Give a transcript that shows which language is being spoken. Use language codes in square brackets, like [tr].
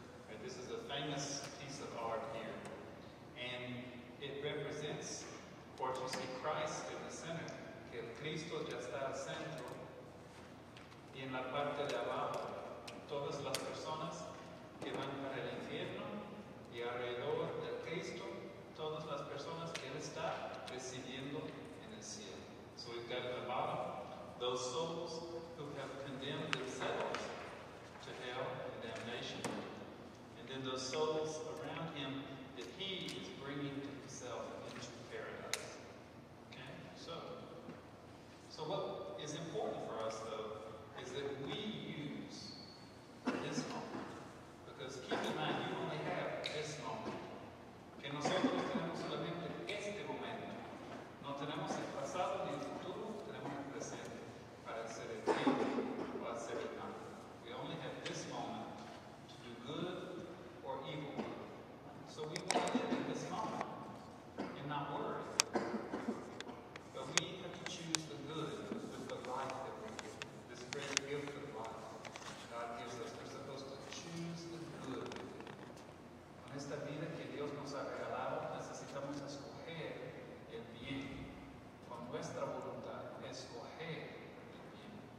[en] Right, this is a famous piece of art here. And it represents, of course, you see Christ in the center. [es] Que el Cristo ya está al centro. Y en la parte de abajo, todas las personas que van para el infierno. Y alrededor del Cristo, todas las personas que él está recibiendo en el cielo. [en] So we've got at the bottom those souls who have condemned themselves to hell and damnation. And then those souls around him that he is bringing himself into paradise. Okay? So what is important for us, though, is that we use this moment. Because keep in mind, you only have this moment. [es] Que nosotros tenemos solamente este momento. No tenemos el pasado ni el futuro, tenemos el presente para hacer el tiempo o hacer el cambio. [en] We only have this moment to do good or evil. So we want to live in this moment and not worry. But we have to choose the good with the life that we give. This great gift of life God gives us. We're supposed to choose the good. [es] Con esta vida que Dios nos ha regalado, necesitamos escoger el bien, con nuestra voluntad, escoger el bien.